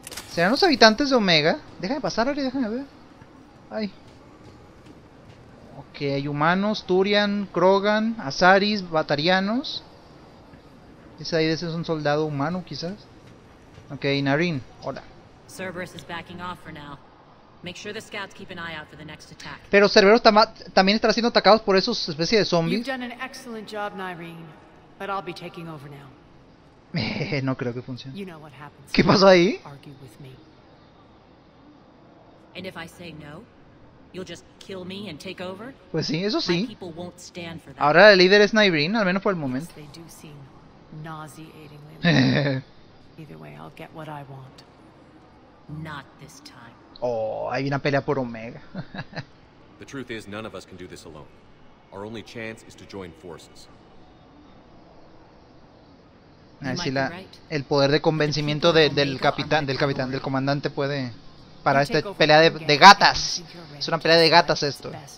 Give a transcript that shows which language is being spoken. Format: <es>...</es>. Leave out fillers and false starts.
<es>¿Serán los habitantes de Omega? Déjame pasar, Ari, déjame ver. Ay. Ok, hay humanos, Turian, Krogan, Azaris, Batarianos. Ese es un soldado humano, quizás. Ok, Naren, hola.</es> <en>Cerberus is backing off for now. Make sure the scouts keep an eye out for the next attack.</en> <es>Pero Cerberus también estará siendo atacados por esos especies de zombies.</es> <en>You've done an excellent job, Naren, but I'll be taking over now.</en> <es>No creo que funcione.</es> <en>You know what happens.</en> <es>¿Qué pasó ahí?</es> <en>Argue with me. And if I say no, you'll just kill me and take over?</en> <es>Pues sí, eso sí.</es> <en>My people won't stand for that.</en> <es>Ahora el líder es Naren, al menos por el momento.</es> <en>They do seem nauseatingly. Either way, I'll get what I want. Not this time.</en> <es>Oh, hay una pelea por Omega.</es> <en>The truth is, none of us can do this alone. Our only chance is to join forces.</en> <es>A ver si el poder de convencimiento del comandante puede para esta pelea de gatas. Es una pelea de gatas esto.</es>